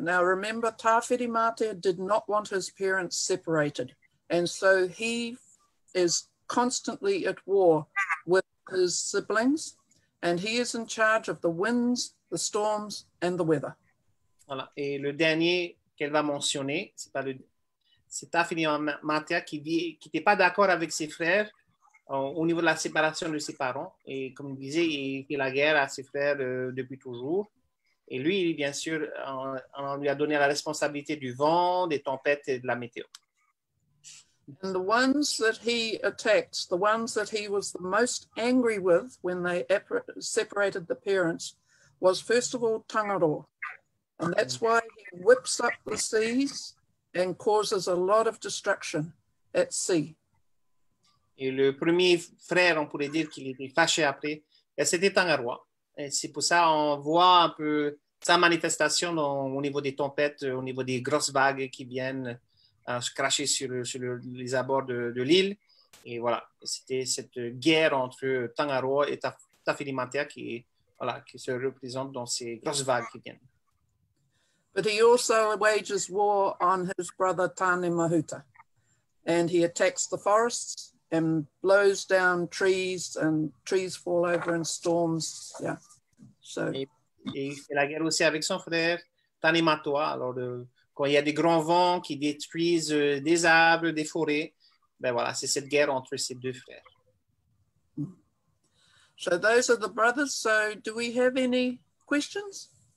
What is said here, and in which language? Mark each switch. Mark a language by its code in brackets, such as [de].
[en] Now, remember, Tawhiri Mātea did not want his parents separated. And so he is constantly at war with his siblings. And he is in charge of the winds, the storms, and the weather. [fr] Voilà. Et le dernier qu'elle va mentionner, c'est Tawhiri Mātea qui dit qui n'était pas d'accord avec ses frères au niveau de la séparation de ses parents. Et comme je disais, il fait la guerre à ses frères depuis toujours. Et lui, bien sûr, on lui a donné la responsabilité du vent, des tempêtes et de la météo. [en] And the ones that he attacked, the ones that he was the most angry with when they separated the parents, was first of all Tangaroa. And that's why he whips up the seas and causes a lot of destruction at sea. [fr] Et le premier frère, on pourrait dire qu'il était fâché après, c'était Tangaroa. Et c'est pour ça qu'on voit un peu sa manifestation au niveau des tempêtes, au niveau des grosses vagues qui viennent se cracher sur les abords de l'île. Et voilà, c'était cette guerre entre Tangaroa et Tawhiri Mātea qui se représente dans ces grosses vagues qui viennent. [en] But he also wages war on his brother Tane Mahuta. And he attacks the forests and blows down trees, and trees fall over in storms. Yeah. So. [fr] Et il fait la guerre aussi avec son frère Tane Mātea. Alors, quand il y a des grands vents qui détruisent des arbres, des forêts, ben voilà, c'est cette guerre entre ces deux frères. [en] So those are the brothers. So do we have any questions?